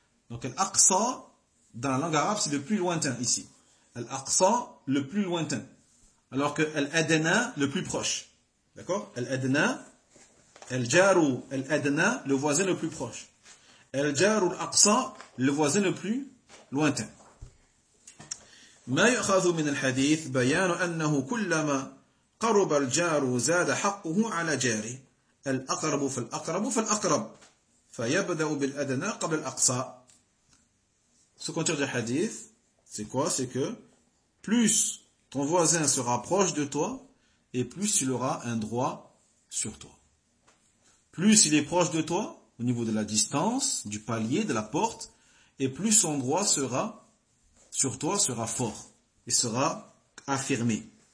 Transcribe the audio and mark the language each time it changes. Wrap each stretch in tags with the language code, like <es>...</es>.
<fr>Donc al-aqsa, dans la langue arabe, c'est le plus lointain ici. Al-aqsa, le plus lointain. Alors que al-adna, le plus proche. D'accord? Al-adna, al-jaru, al-adna, le voisin le plus proche. Al-jaru al-aqsa, le voisin le plus lointain.</fr> <ar>ما يؤخذ من الحديث بيان أنه كلما قرب الجار زاد حقه على جاره الأقرب فالأقرب فالأقرب فيبدأ بالأدنى قبل الأقصى.</ar> <fr>Ce qu'on tire du hadith, c'est quoi? C'est que plus ton voisin sera proche de toi et plus il aura un droit sur toi. Plus il est proche de toi au niveau de la distance, du palier, de la porte, et plus son droit sera sur toi, sera fort et sera affirmé.</fr>